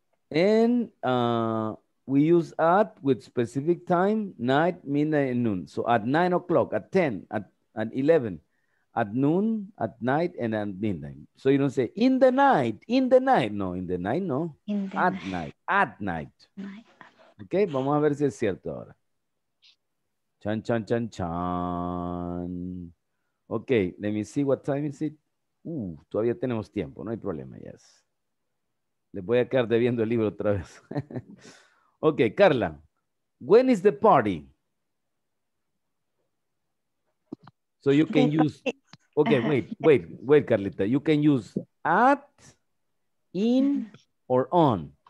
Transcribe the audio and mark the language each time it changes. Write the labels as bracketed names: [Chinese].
[English] And we use at with specific time, night, midnight, and noon. So at 9 o'clock, at 10, at 11, at noon, at night, and at midnight. So you don't say in the night, no, in the night, no. At night. [Spanish] Okay, vamos a ver si es cierto ahora. Chan, chan, chan, chan. [English] Okay, let me see what time is it. [Spanish] Todavía tenemos tiempo, no hay problema, yes. Les voy a quedar debiendo el libro otra vez. [English] Ok, Carla. When is the party? So you can use... Ok, wait, Carlita. You can use at, in, or on.